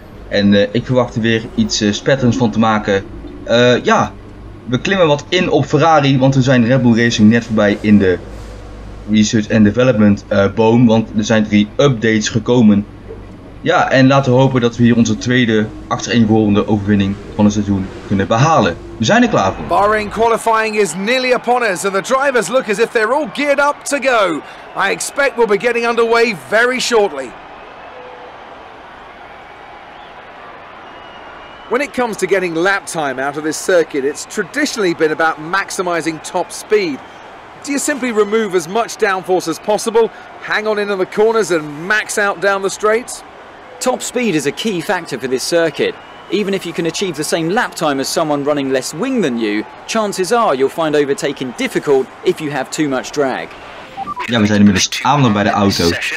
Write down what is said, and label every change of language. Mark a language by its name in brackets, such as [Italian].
[Dutch] En ik verwacht er weer iets spetterends van te maken. Ja, we klimmen wat in op Ferrari, want we zijn Red Bull Racing net voorbij in de Research and Development boom. Want er zijn 3 updates gekomen. Ja, en laten we hopen dat we hier onze tweede achtereenvolgende overwinning van het seizoen kunnen behalen. We zijn er klaar voor. [English] Bahrain qualifying is nearly upon us and the drivers look as if they're all geared up to go. I expect we'll be getting underway very shortly. When it comes to getting lap time out of this circuit, it's traditionally been about maximizing top speed. Do you simply remove as much downforce as possible, hang on in the corners and max out down the straights? Top speed is a key factor for this circuit. Even if you can achieve the same lap time as someone running less wing than you, chances are you'll find overtaking difficult if you have too much drag. [Dutch] Ja, we zijn inmiddels aanland bij de auto.